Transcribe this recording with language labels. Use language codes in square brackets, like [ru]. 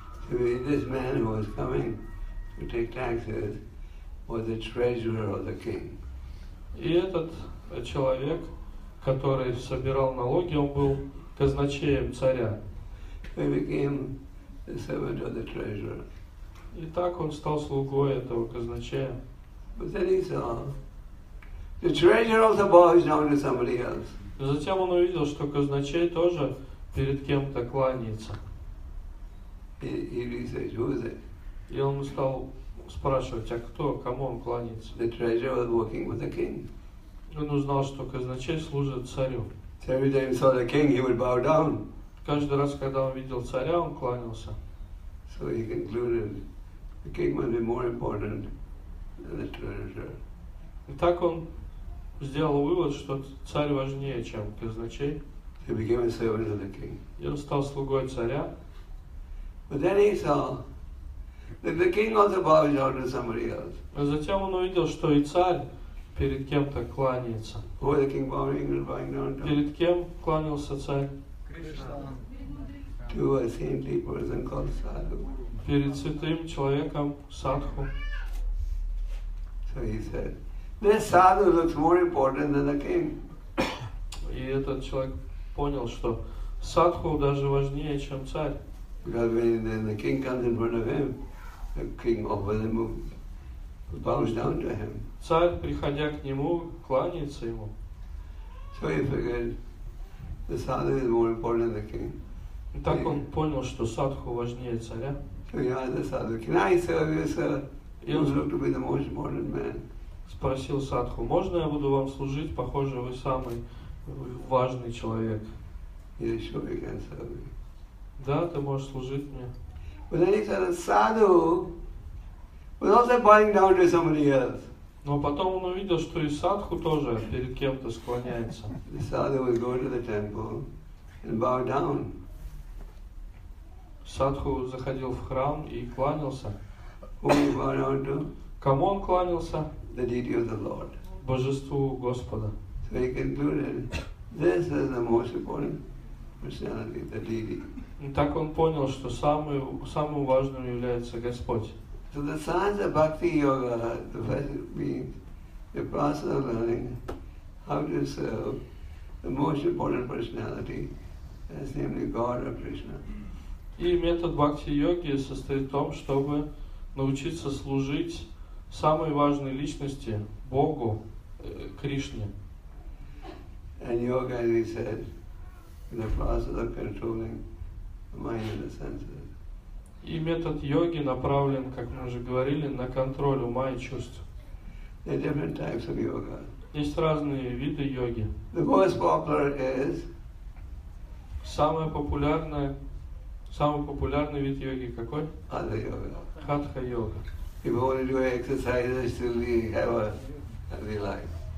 [en] This man who was coming to take taxes was the treasurer of the king. [ru] И этот человек, который собирал налоги, он был казначеем царя. [en] He became the servant of the treasurer. [ru] И так он стал слугой этого казначея. [en] But then he saw the treasurer also bows down to somebody else. [ru] Затем он увидел, что казначей тоже перед кем-то кланяется. [en] He said, "Who is it?" [ru] И он стал спрашивать, а кто, кому он кланяется? [en] The treasurer was working with the king. [ru] Он узнал, что казначей служит царю. [en] So every time he saw the king, he would bow down. [ru] Каждый раз, когда он видел царя, он кланялся. [en] So he concluded the king must be more important than the treasurer. [ru] И так он сделал вывод, что царь важнее, чем казначей. [en] He became a servant of the king. [ru] И он стал слугой царя. [en] But then he saw that the king also bowed down to somebody else. [ru] А затем он увидел, что и царь перед кем-то кланяется. [en] Who was the king bowing down to? [ru] Перед кем кланялся царь? [en] To a saintly person called Sadhu. [ru] Перед святым человеком Садху. [en] So he said, "This Sadhu looks more important than the king." [ru] И этот человек понял, что Садху даже важнее, чем царь. [en] Because when the king comes in front of him, the king offers him, bows down to him. [ru] Царь, приходя к нему, кланяется ему. [en] So he figured, the sadhu is more important than the king. [ru] И так он понял, что садху важнее царя. [en] So he asked the sadhu, "Can I serve you, sir?" You look to be the most important man. [ru] Спросил садху, "Можно я буду вам служить? Похоже, вы самый важный человек." [en] Yes, sure, you can serve me. [ru] Да, ты можешь служить мне. [en] But then he said, "The sadhu was also bowing down to somebody else." [ru] Но потом он увидел, что и садху тоже перед кем-то склоняется. [en] The sadhu would go to the temple and bow down. [ru] Садху заходил в храм и кланялся. [en] Who he bowed down to? [ru] Кому он кланялся? [en] The deity of the Lord. [ru] Божеству Господа. [en] So he concluded, this is the most important personality, the deity. [ru] И так он понял, что самым важным является Господь. [en] So the science of bhakti yoga, the first means the process of learning how to serve the most important personality, that's namely God or Krishna. [ru] И метод бхакти йоги состоит в том, чтобы научиться служить самой важной личности Богу, Кришне. [en] And yoga, as we said, is the process of controlling the mind and the senses. [ru] И метод йоги направлен, как мы уже говорили, на контроль ума и чувств. [en] There are different types of yoga. [ru] Есть разные виды йоги. [en] The most popular is... [ru] Самый популярный вид йоги какой? [en] Hatha yoga. Hatha yoga. People only do exercises till they have a healthy life.